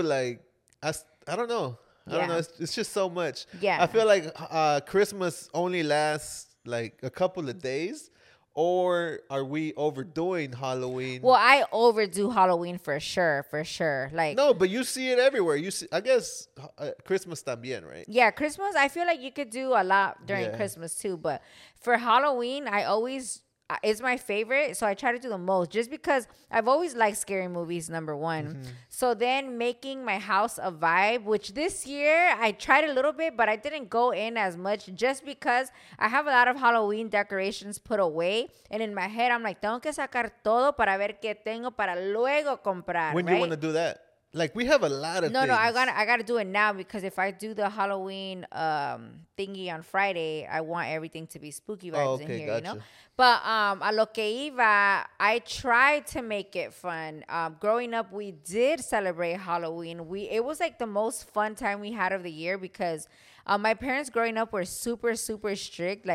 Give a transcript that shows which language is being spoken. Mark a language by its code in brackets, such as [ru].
[en] Like, I don't know. Yeah. I don't know. It's just so much. Yeah. I feel like Christmas only lasts like a couple of days. Or are we overdoing Halloween? Well, I overdo Halloween for sure. Like, no, but you see it everywhere. Christmas [es] también, [en] right? Yeah, Christmas. I feel like you could do a lot during Christmas too. But for Halloween, it's my favorite. So I try to do the most, just because I've always liked scary movies, number one. Mm-hmm. So then making my house a vibe, which this year I tried a little bit, but I didn't go in as much, just because I have a lot of Halloween decorations put away. [es] And in my head, I'm like, tengo que sacar todo para ver qué tengo para luego comprar. [en] When right? you want to do that? Like, we have a lot of no, things. No, I gotta do it now, because if I do the Halloween thingy on Friday, I want everything to be spooky vibes in here, gotcha. You know? But [es] a lo que iba, [en] I tried to make it fun. Growing up, we did celebrate Halloween. It was like the most fun time we had of the year, because my parents growing up were super, super strict.